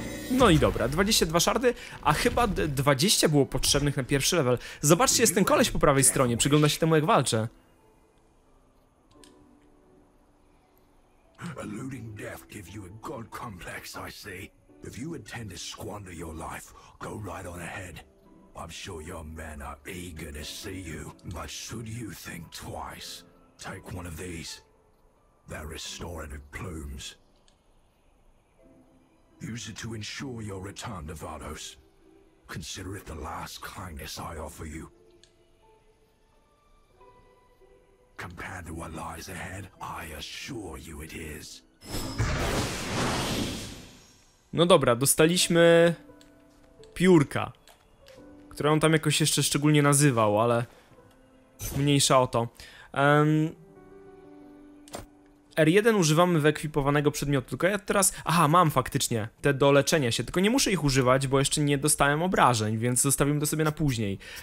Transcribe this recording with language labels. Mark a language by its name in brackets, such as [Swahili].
[Polish] No i dobra, 22 szardy, a chyba 20 było potrzebnych na pierwszy level. Zobaczcie, jest ten koleś po prawej stronie, przygląda się temu, jak walczę. [English] Eluding death gives you a god complex, I see. If you intend to squander your life, go right on ahead. I'm sure your men are eager to see you, but should you think twice, take one of these. They're restorative plumes. Use it to ensure your return to Vardos. Consider it the last kindness I offer you. Compared to what lies ahead, I assure you it is. [Polish] No dobra, dostaliśmy piórka, które on tam jakoś jeszcze szczególnie nazywał, ale mniejsza o to. R1 używamy wyekwipowanego przedmiotu, tylko ja teraz... Aha, mam faktycznie te do leczenia się, tylko nie muszę ich używać, bo jeszcze nie dostałem obrażeń, więc zostawimy to sobie na później.